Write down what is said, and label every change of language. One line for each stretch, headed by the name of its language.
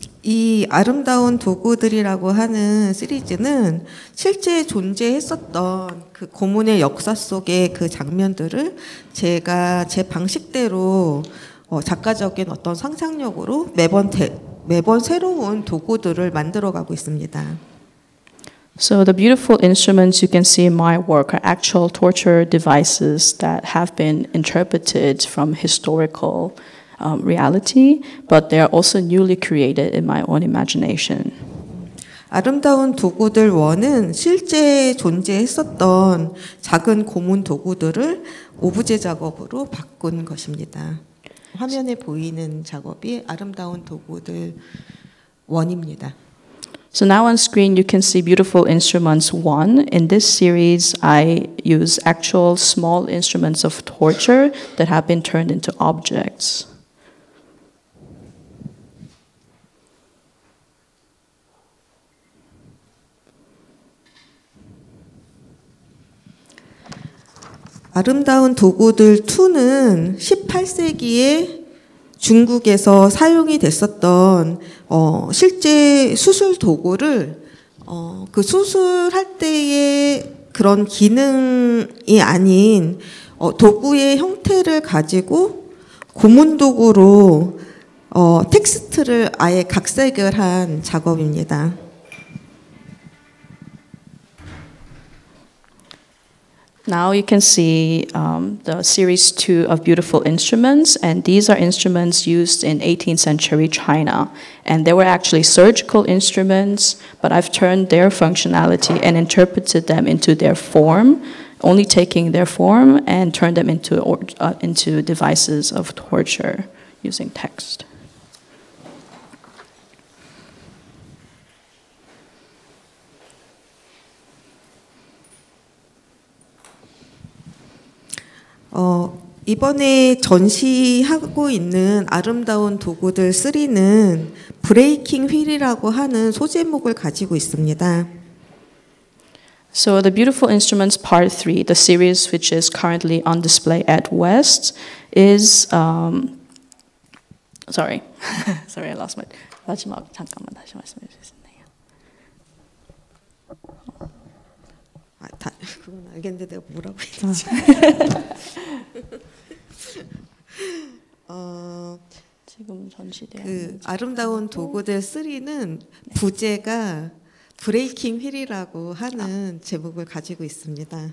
Korean: 이 아름다운 도구들이라고 하는 시리즈는 실제 존재했었던 그 고문의 역사 속의 그 장면들을 제가 제 방식대로 작가적인 어떤 상상력으로 매번 새로운 도구들을 만들어 가고 있습니다.
English: So the beautiful instruments you can see in my work are actual torture devices that have been interpreted from historical reality, but they are also newly created in my own imagination.
Korean: 아름다운 도구들 원은 실제 존재했었던 작은 고문 도구들을 오브제 작업으로 바꾼 것입니다. 화면에 보이는 작업이 아름다운 도구들 원입니다.
English: So now on screen you can see Beautiful Instruments 1. In this series I use actual small instruments of torture that have been turned into objects.
Korean: 아름다운 도구들 2는 18세기에 중국에서 사용이 됐었던 실제 수술 도구를 그 수술할 때의 그런 기능이 아닌 도구의 형태를 가지고 고문 도구로 텍스트를 아예 각색을 한 작업입니다.
English: Now you can see the series 2 of beautiful instruments, and these are instruments used in 18th century China. And they were actually surgical instruments, but I've turned their functionality and interpreted them into their form, only taking their form and turned them into devices of torture using text.
Korean: 이번에 전시하고 있는 아름다운 도구들 3는 브레이킹 휠이라고 하는 소제목을 가지고 있습니다.
English: So the Beautiful Instruments Part 3, the series which is currently on display at West, is I lost my
Korean: 마지막 잠깐만 다시 말씀해 주시겠네요. 그건 알겠는데 내가 뭐라고 했지? 지금 전시되는 그 아름다운 도구들 3는 부제가 브레이킹 휠이라고 하는 제목을 가지고 있습니다.